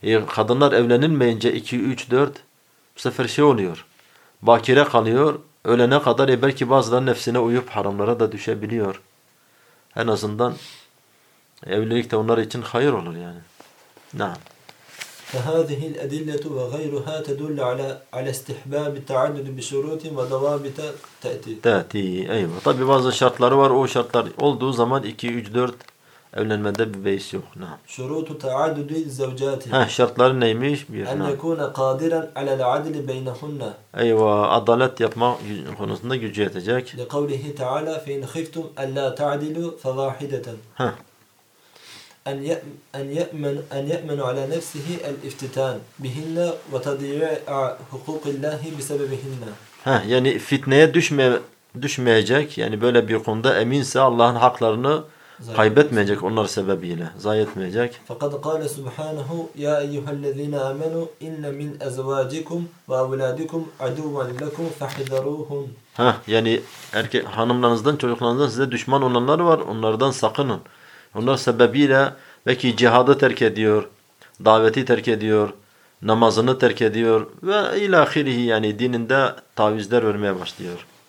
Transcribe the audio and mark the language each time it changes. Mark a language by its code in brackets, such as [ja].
[tr] Kadınlar evlenilmeyince 2, 3, 4 bu sefer şey oluyor. Bakire kalıyor. Ölene kadar belki bazıları nefsine uyup haramlara da düşebiliyor. En azından evlilik de onlar için hayır olur yani. Nah. [ar] فهذه الأدلة وغيرها تدل على استحباب التعدد بشروط وضوابط تأتي. أيوة. طبعاً بعض الشرطات [tr] var. O şartlar olduğu zaman 2, 3, 4 evlenmede bir beis yok. Nah. [ar] شروط تعدد الزوجات. [tr] Ha, şartları neymiş? [ar] Bir, أن يكون قادراً على العدل بينهن. أيوة. [tr] Adalet yapma konusunda gücü yetecek. [ar] لقوله تعالى فإن خفتم ألا تعدلوا فواحدة. Ha. أن يأمن على نفسه الافتتان بهن وتضييع حقوق الله بسببهن. [tr] Ha, yani fitneye düşmeyecek yani böyle bir konuda eminse Allah'ın haklarını kaybetmeyecek onlar sebebiyle, zayi etmeyecek. [ar] فقد قال سبحانه يا أيها الذين آمنوا إن من أزواجكم وأولادكم عدوا لكم فاحذروهم. [tr] Ha, yani erkek hanımlarınızdan çocuklarınızdan size düşman olanlar var, onlardan sakının. Onlar sebebiyle belki cihadı terk ediyor, daveti terk ediyor, namazını terk ediyor ve ilahirihi yani dininde tavizler vermeye başlıyor.